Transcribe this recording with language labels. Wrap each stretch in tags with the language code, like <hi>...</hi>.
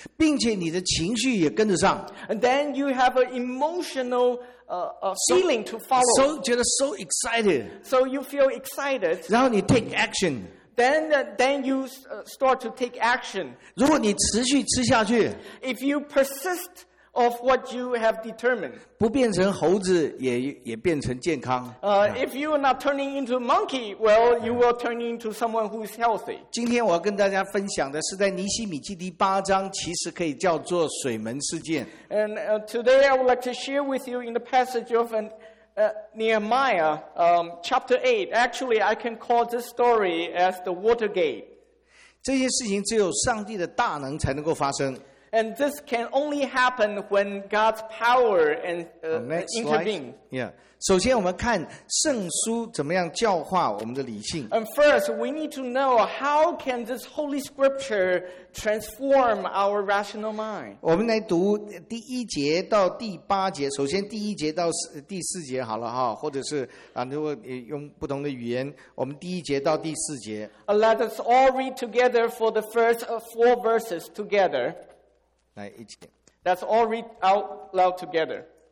<zh>并且你的情绪也跟得上。</zh> <en>And then you have an emotional. Feeling to follow. So, 觉得 so excited. So you feel excited.</en> <zh>然后你</zh> <en>take action. Then you start to take action.</en> <zh>如果你持续吃下去，</zh> <en>if you persist of what you have determined,</en> <zh>不变成猴子也变成健康。</zh> <en>If you are not turning into a monkey, well, you will turn into someone who is healthy.</en> <zh>今天我要跟大家分享的是在尼希米记第八章，其实可以叫做水门事件。</zh> <en>And today I would like to share with you in the passage of Nehemiah, chapter 8. Actually, I can call this story as the Watergate.</en> <zh>这些事情只有上帝的大能才能够发生。</zh> <en>And this can only happen when God's power and intervene. Yeah.</en> <zh>首先我们看圣书怎么样教化我们的理性。</zh> <en>And first, we need to know how can this Holy Scripture transform our rational mind.</en> <zh>我们来读第一节到第八节。首先第一节到第四节好了哈，或者是如果用不同的语言，我们第一节到第四节。</zh> <en>Let us all read together for the first four verses together. Let's all read out loud together.</en>